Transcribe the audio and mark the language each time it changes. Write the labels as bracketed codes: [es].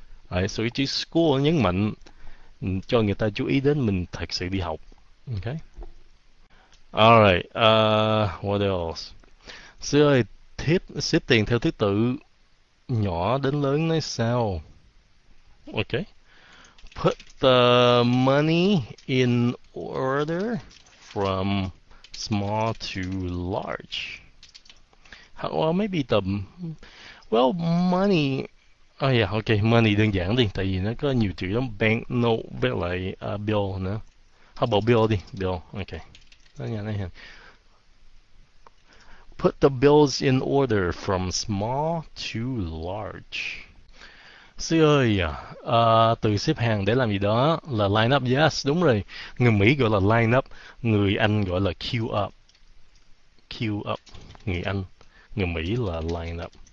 [en] Right, so [vi] cái chữ school nhấn mạnh cho người ta chú ý đến mình thật sự đi học. Okay. [en] Alright, what else? [vi] Sư ơi, xếp tiền theo thứ tự nhỏ đến lớn nói sao? [en] Ok. Put the money in order from small to large. Well, maybe the... Well, money... money [vi] đơn giản đi. Tại vì nó có nhiều chữ lắm. Bank note với lại bill nữa. [en] How about bill đi? Bill, ok. [vi] Đó nhà này hả? [en] Put the bills in order from small to large. [vi] Sư ơi, từ xếp hàng để làm gì đó là line up, yes, đúng rồi. Người Mỹ gọi là line up, người Anh gọi là queue up. Queue up, người Anh, người Mỹ là line up.